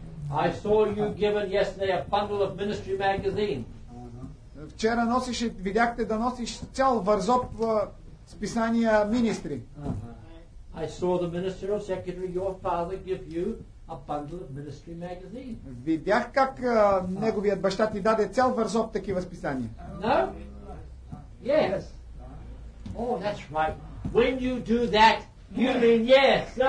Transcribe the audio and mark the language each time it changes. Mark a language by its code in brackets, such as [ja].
[en] I saw you given yesterday a bundle of ministry magazine. [bg] Вчера носиш, видяхте да носиш цял вързоп списания министри. [en] I saw the minister or secretary, your father, give you a bundle of ministry magazine. [bg] Видях как неговият баща ти даде цял вързоп такива списания. [en] No? Yes. Oh, that's right. When you do that, you mean yes.